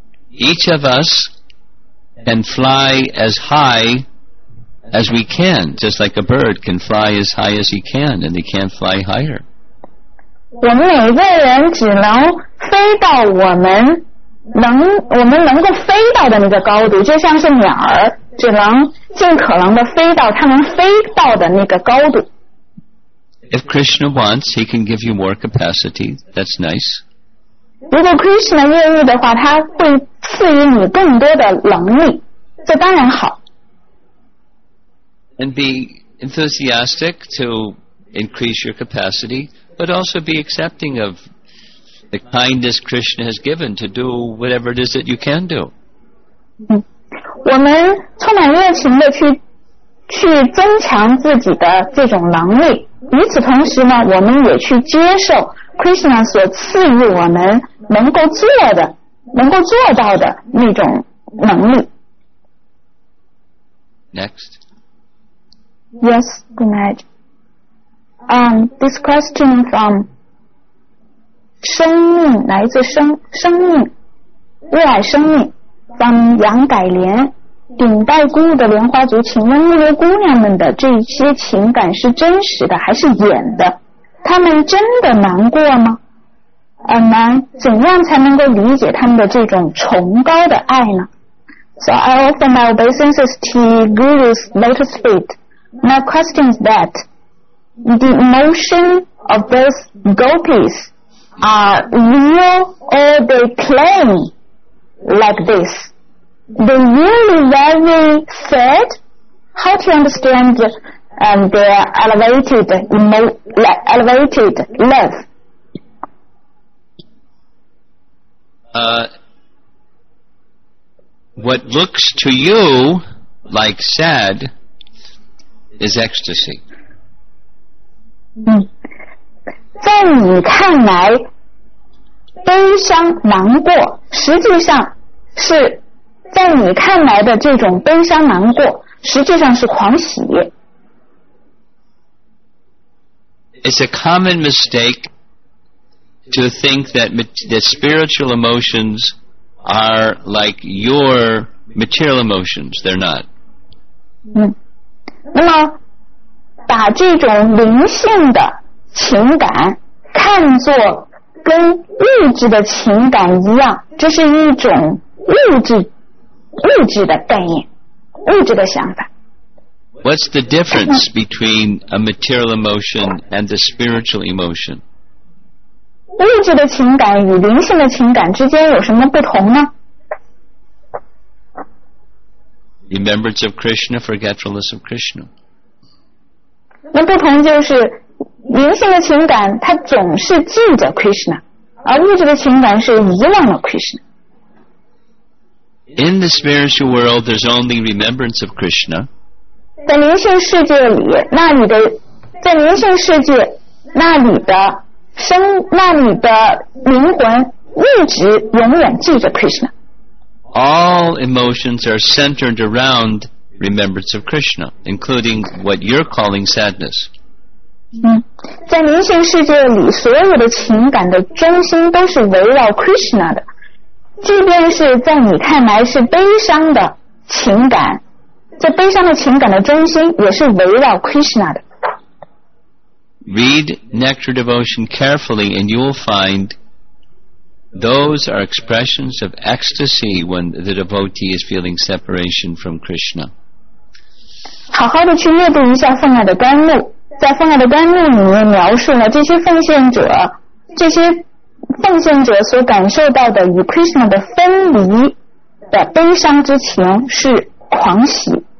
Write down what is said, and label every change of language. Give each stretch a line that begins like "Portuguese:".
English: Each of usAnd fly as high as we can, just like a bird can fly as high as he can, and he can't fly higher.
Chinese: 我们每个人只能飞到我们能够飞到的那个高度，就像是鸟儿只能尽可能的飞到它能飞到的那个高度。
English: If Krishna wants, he can give you more capacity. That's nice.
Chinese: 如果 Krishna 愿意的话，他会赐予你更多的能力，这当然好。
English: And be enthusiastic to increase your capacity, but also be accepting of the kindness Krishna has given to do whatever it is that you can do.
Chinese: 我们充满热情的去增强自己的这种能力，与此同时呢，我们也去接受Krishna 所赐予我们能够做的能够做到的那种能力。
English: Next. Yes, good night. This question from
Chinese: 生命来自生命热爱生命 from 杨改莲顶戴孤的莲花族，请问那些姑娘们的这些情感是真实的还是演的？他们真的难过吗？怎样才能够理解他们的这种崇高的爱呢？
English: So I offer my obeisances to Guru's lotus feet. My question is that the emotion of those gopis are real or they claim like this? They really very sad? How to understandand their elevated love. What looks to you like sad is ecstasy.
Chinese: 在你看来悲伤难过，实际上是在你看来的这种悲伤难过，实际上是狂喜。
English: It's a common mistake to think that the spiritual emotions are like your material emotions. They're not.
Chinese: 那么把这种灵性的情感看作跟物质的情感一样，这是一种物质的概念，物质的想法。
English: What's the difference between a material emotion and the spiritual emotion?
Chinese: 物质的情感与灵性的情感之间有什么不同呢？
English: Remembrance of Krishna, forgetfulness of Krishna.
Chinese: 那不同就是灵性的情感它总是记着 Krishna， 而物质的情感是遗忘了 Krishna。
English: In the spiritual world there's only remembrance of Krishna。
Chinese: 在灵性世界里，那里的在灵性世界，那里的生，那里的灵魂一直永远记着 Krishna。
English: All emotions are centered around remembrance of Krishna, including what you're calling sadness。
Chinese: 在灵性世界里，所有的情感的中心都是围绕 Krishna 的，即便是在你看来是悲伤的情感。这悲伤的情感的中心也是围绕 Krishna 的。
English: Read Nectar Devotion carefully and you will find those are expressions of ecstasy when the devotee is feeling separation from Krishna.
Chinese: 好好的去阅读一下《奉爱的甘露》，在《奉爱的甘露》里面描述了这些奉献者所感受到的与 Krishna 的分离的悲伤之情是狂喜。